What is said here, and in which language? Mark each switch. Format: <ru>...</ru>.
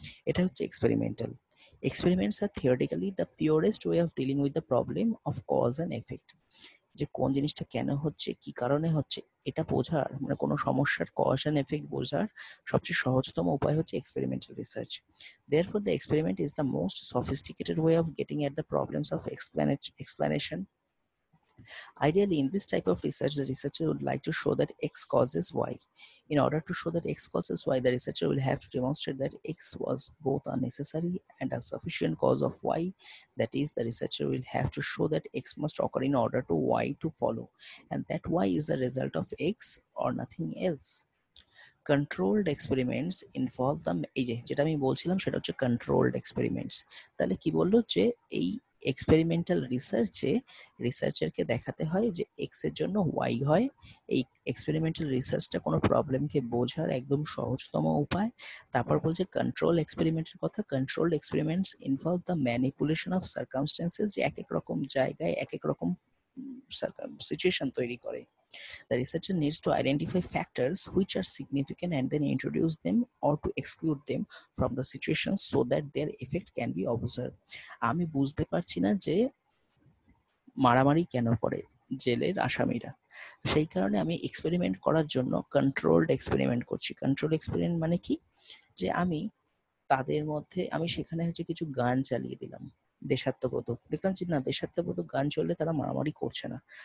<bn>এটা হচ্ছে experimental.</bn> <en>experiments are theoretically the purest way of dealing with the problem of cause and effect,</en> <bn>যে কোন জিনিসটা কেন হচ্ছে, কি কারণে হচ্ছে, এটা বোঝার, মানে কোনো সমস্যার কজ অ্যান্ড এফেক্ট বোঝার সবচেয়ে সহজতম উপায় হচ্ছে experimental research.</bn> <en>Therefore the experiment is the most sophisticated way of getting at the problems of explanation. Ideally, in this type of research, the researcher would like to show that X causes Y. In order to show that X causes Y, the researcher will have to demonstrate that X was both a necessary and a sufficient cause of Y. That is, the researcher will have to show that X must occur in order to Y to follow, and that Y is the result of X or nothing else. Controlled experiments involve them.</en> <bn>যেটা আমি বলছিলাম সেটা হচ্ছে controlled experiments. তাহলে কি বললো যে এই এক্সপেরিমেন্টাল রিসার্চে রিসার্চারকে দেখাতে হয় যে এক্স এর জন্য ওয়াই হয়। এই এক্সপেরিমেন্টাল রিসার্চটা কোনো প্রবলেমকে বোঝার একদম সহজতম উপায়। তারপর বলছে কন্ট্রোল এক্সপেরিমেন্টের কথা,</bn> <en>controlled experiments involve the manipulation of circumstances,</en> <bn>যে এক এক রকম জায়গায় এক এক রকম সিচুয়েশন তৈরি করে।</bn> <en>The researcher needs to identify factors which are significant and then introduce them or to exclude them from the situation so that their effect can be observed.</en> <bn>আমি বুঝতে পারছি না যে মারামারি কেন করে জেলের আসামিরা, সেই কারণে আমি এক্সপেরিমেন্ট করার জন্য কন্ট্রোলড এক্সপেরিমেন্ট করছি। কন্ট্রোল এক্সপেরিমেন্ট মানে কি, যে আমি তাদের মধ্যে আমি সেখানে হচ্ছে কিছু গান চালিয়ে দিলাম দেশাত্মবোধক, দেখলাম যে না দেশাত্মবোধক গান চললে তারা মারামারি করছে না।</bn>